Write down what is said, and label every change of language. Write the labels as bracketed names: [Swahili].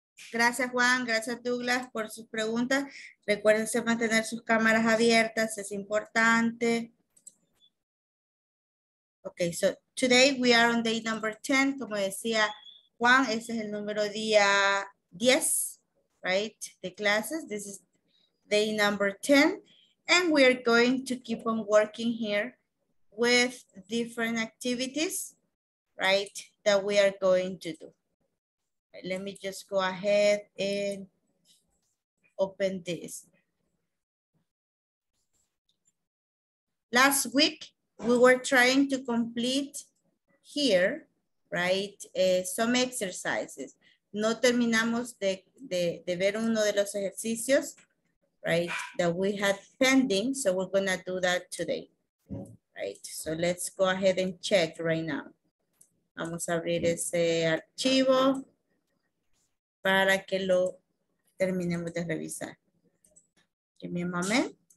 [Spanish] Gracias, Juan. Gracias, Douglas, por sus preguntas. Recuérdense mantener sus cámaras abiertas. Es importante. [English] Ok, so today we are on day number 10. [Spanish] Como decía Juan, ese es el número día 10, right? [English] The classes. This is day number 10. And we are going to keep on working here with different activities, right, that we are going to do. Let me just go ahead and open this. Last week, we were trying to complete here, right, some exercises. [Spanish] No terminamos de ver uno de los ejercicios, [English] right, that we had pending, so we're gonna do that today, right? So let's go ahead and check right now. [Spanish] Vamos a abrir ese archivo para que lo terminemos de revisar. [English] Give me a moment.